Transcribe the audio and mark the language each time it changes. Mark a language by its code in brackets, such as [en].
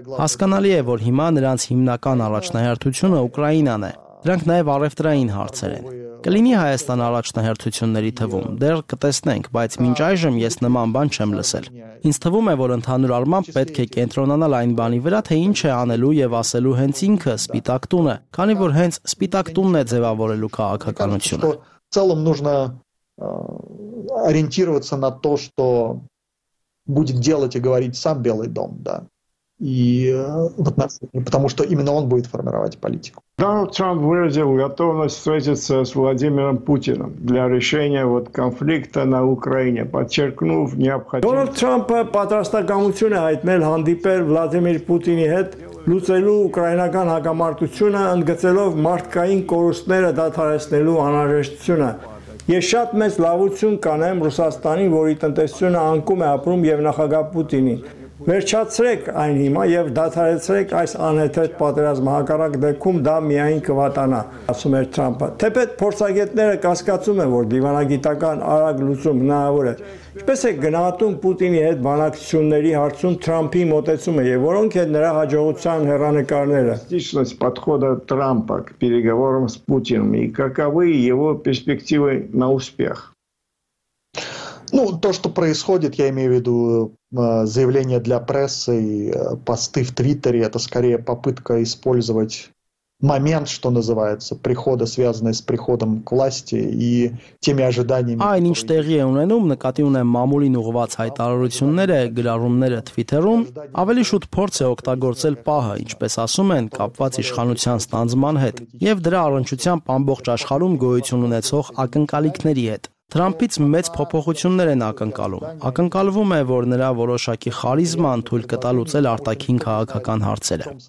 [hy] Հասկանալի է, որ հիմա նրանց հիմնական առաջնահերթությունը Ուկրաինան է։ Դրանք նաև առևտրային հարցեր են։ Կլինի Հայաստան առաջնահերթությունների թվում, դեռ կտեսնենք, բայց մինչ այժմ ես նման բան չեմ լսել։ Ինձ թվում է, որ ընդհանուր առմամբ պետք է կենտրոնանալ այն բանի վրա, թե ինչ է անելու եւ ասելու հենց ինքը Սպիտակ տունը, քանի որ հենց Սպիտակ տունն է ձևավորելու քաղաքականությունը։ [ru] В целом нужно ориентироваться на то, что будет делать и говорить сам Белый дом, да. И вот нас, потому что именно он будет формировать политику. Дональд Трамп выразил готовность встретиться с Владимиром Путиным для решения вот конфликта на Украине, подчеркнув необходимость. [hy] Дональд Трамп պատրաստականություն է հայտնել հանդիպել Վլադիմիր Պուտինի հետ, լուծելու ուկրաինական հակամարտությունը, ընդգծելով մարդկային կորուստները դադարեցնելու անհրաժեշտությունը։ Ես շատ մեծ լավություն կանեմ Ռուսաստանին, որի տնտեսությունը անկում է ապրում, եւ նախագահ Պուտինին։ վերջացրեք այն հիմա եւ դադարեցրեք այս անհեթեթ պատերազմ հակառակ դեպքում դա միայն կվատանա, ասում էր Թրամփը։ Թեպետ փորձագետները կասկածում են, որ դիվանագիտական արագ լուծում հնարավոր է։ Ինչպես է գնահատում Պուտինի հետ բանակցությունների հարցում Թրամփի մոտեցումը եւ որոնք են նրա հաջողության հեռանկարները։ Ինչպես [ru] подхода Թրամփа к переговорам с Путиным и каковы его перспективы на успех? Ну, то, что происходит, я имею в виду заявления для прессы и посты в Твиттере, это скорее попытка использовать момент, что называется, прихода, связанный с приходом к власти и теми ожиданиями. [hy] Այն ինչ տեղի է ունենում, նկատի ունեմ մամուլին ուղված հայտարարությունները, գրառումները Twitter-ում, ավելի շուտ փորձ է օգտագործել պահը, ինչպես ասում են, կապված իշխանության ստանձման հետ եւ դրա առնչությամբ ամբողջ աշխարհում գոյություն ունեցող ակնկալիքների հետ։ Թրամփից մեծ փոփոխություններ են ակնկալում։ Ակնկալվում է, որ նրա որոշակի խարիզման թույլ կտա լուծել արտաքին քաղաքական հարցերը։